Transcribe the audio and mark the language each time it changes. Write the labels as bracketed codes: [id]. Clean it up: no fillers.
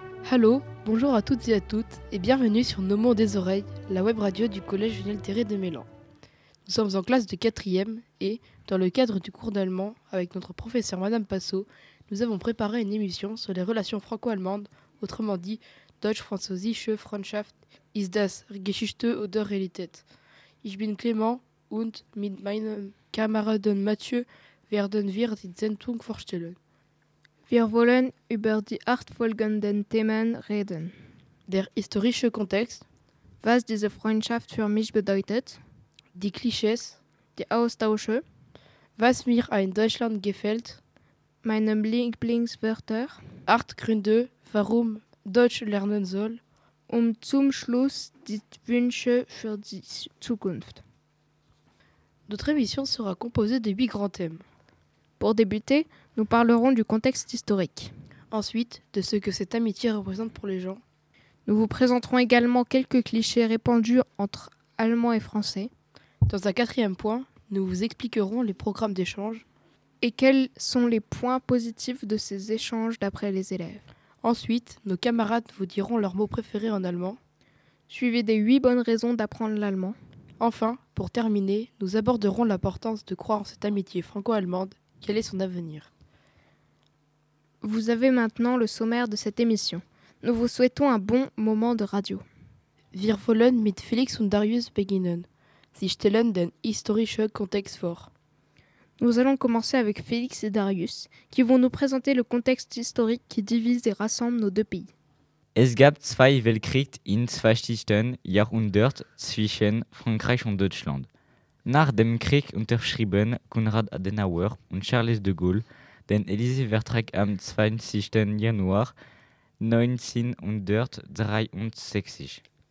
[fr] Allô, bonjour à toutes et à toutes, et bienvenue sur Nommons des oreilles, la web radio du Collège Juvenil Théré de Mélan. Nous sommes en classe de 4e et, dans le cadre du cours d'allemand, avec notre professeur Madame Passot, nous avons préparé une émission sur les relations franco-allemandes, autrement dit, [de] Deutsch-Französische Freundschaft ist das Geschichte oder Realität. Ich bin Clément und mit meinem Kameraden Mathieu werden wir die Sendung vorstellen. Wir wollen über die acht folgenden Themen reden. Der historische Kontext. Was diese Freundschaft für mich bedeutet. Die Klischees. Die Austausche. Was mir in Deutschland gefällt. Meine Lieblingswörter. Acht Gründe, warum Deutsch lernen soll. Und zum Schluss die Wünsche für die Zukunft. [fr] Notre émission sera composée de 8 grands thèmes. Pour débuter, nous parlerons du contexte historique. Ensuite, de ce que cette amitié représente pour les gens. Nous vous présenterons également quelques clichés répandus entre Allemands et Français. Dans un quatrième point, nous vous expliquerons les programmes d'échange. Et quels sont les points positifs de ces échanges d'après les élèves. Ensuite, nos camarades vous diront leurs mots préférés en allemand. Suivez des 8 bonnes raisons d'apprendre l'allemand. Enfin, pour terminer, nous aborderons l'importance de croire en cette amitié franco-allemande. Quel est son avenir ? Vous avez maintenant le sommaire de cette émission. Nous vous souhaitons un bon moment de radio. [de] Wir wollen mit Felix und Darius beginnen. Sie stellen den historischen Kontext vor. [fr] Nous allons commencer avec Felix et Darius, qui vont nous présenter le contexte historique qui divise et rassemble nos deux pays. [de] Es gab zwei Weltkriege in verschiedenen Jahrhunderten zwischen Frankreich und Deutschland. Nach dem Krieg unterschrieben Konrad Adenauer und Charles de Gaulle den Élysée-Vertrag am 20. Januar 1963.